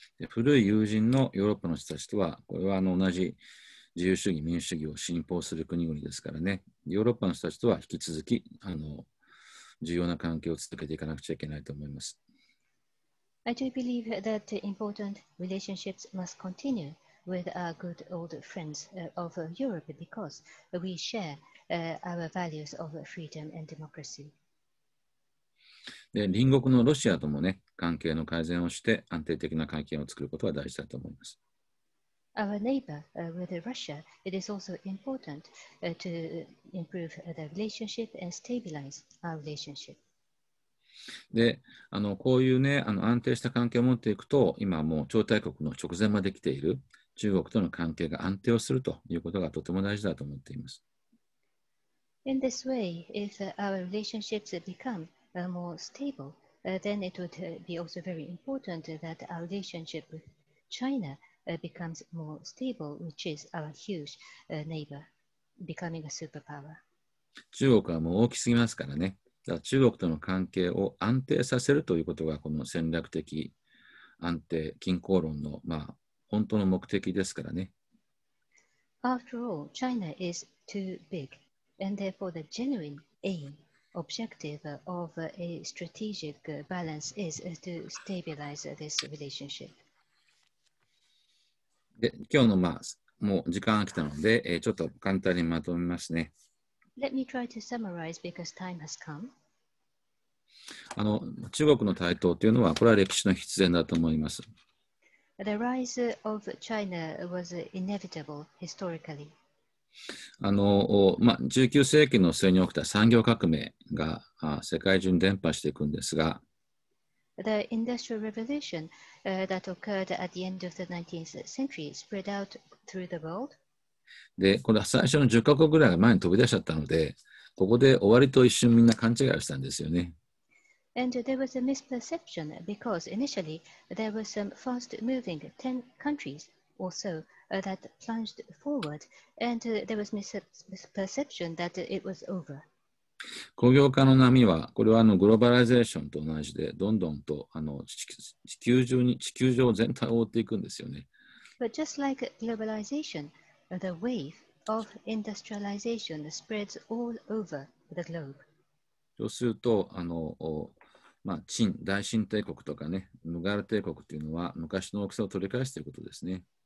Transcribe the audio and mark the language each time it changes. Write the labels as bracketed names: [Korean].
[Japanese] 古い友人のヨーロッパの人たちとは、これは同じ自由主義、民主主義を信奉する国々ですからね。ヨーロッパの人たちとは引き続き重要な関係を続けていかなくちゃいけないと思います。 [English] I do believe that important relationships must continue. With our good old friends of Europe, because we share our values of freedom and democracy. [Japanese] で、隣国のロシアともね、関係の改善をして安定的な関係を作ることは大事だと思います。 [English] Our neighbor with Russia, it is also important to improve the relationship and stabilize our relationship. [Japanese] で、こういうね、安定した関係を持っていくと、今もう超大国の直前まで来ている中国との関係が安定をするということがとても大事だと思っています。 [English] In this way, if our relationships become more stable, then it would be also very important that our relationship with China becomes more stable, which is our huge neighbor, becoming a superpower. [Japanese] 中国はもう大きすぎますからね。中国との関係を安定させるということがこの戦略的安定均衡論の、まあ、本当の目的ですからね。 [English] After all, China is too big, and therefore the genuine aim, objective of a strategic balance is to stabilize this relationship. [Japanese] で、今日のまあもう時間が来たので、ちょっと簡単にまとめますね。 [English] Let me try to summarize because time has come. [Japanese] 中国の台頭というのは、これは歴史の必然だと思います。 [English] The rise of China was inevitable historically. [Japanese] まあ、19世紀の末に起きた産業革命が世界中に伝播していくんですが、 [English] The Industrial Revolution, that occurred at the end of the 19th century spread out through the world. [Japanese] で、これ最初の10カ国ぐらいが前に飛び出しちゃったので、ここで終わりと一瞬みんな勘違いしたんですよね。 [English] And there was a misperception because initially there were some fast moving 10 countries or so that plunged forward, and there was misperception that it was over. [Japanese] 工業化の波は、これはグローバライゼーションと同じで、どんどんと地球上全体を覆っていくんですよね。 [English] But just like globalization, the wave of industrialization spreads all over the globe. [Japanese] そうすると、秦、大秦帝国とかね、ムガル帝国というのは、昔の大きさを取り返すということですね。